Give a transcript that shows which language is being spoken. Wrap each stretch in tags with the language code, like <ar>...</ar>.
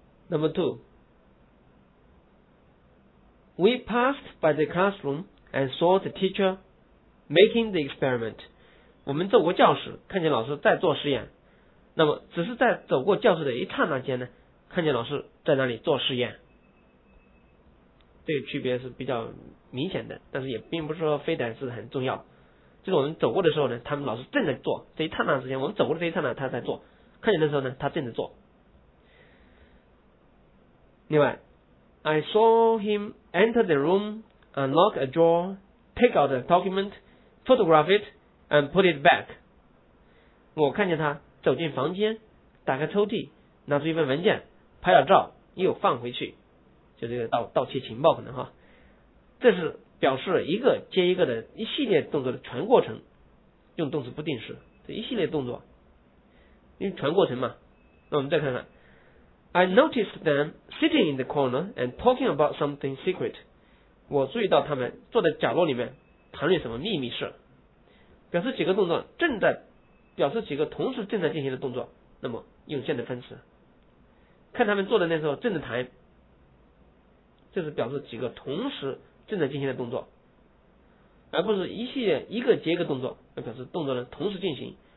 <en>Number two, we passed by the classroom and saw the teacher making the experiment.</en> <zh>我们走过教室，看见老师在做实验。那么，只是在走过教室的一刹那间呢，看见老师在那里做实验。这个区别是比较明显的，但是也并不是说非得是很重要。就是我们走过的时候呢，他们老师正在做，这一刹那之间，我们走过的这一刹那他在做，看见的时候呢，他正在做。另外</zh> <en>I saw him enter the room, unlock a drawer, take out a document, photograph it, and put it back.</en> <zh>我看见他走进房间，打开抽屉，拿出一份文件，拍了照，又放回去。就这个盗窃情报可能哈。这是表示一个接一个的一系列动作的全过程，用动词不定式，这一系列动作。因为全过程嘛，那我们再看看。</zh> <en>I noticed them sitting in the corner and talking about something secret.</en> <zh>我注意到他们坐在角落里面谈论什么秘密事。表示几个动作正在，表示几个同时正在进行的动作，那么用现在分词。看他们坐在那时候正在谈，这是表示几个同时正在进行的动作，而不是一系列一个接一个动作，而表示动作呢同时进行。</zh>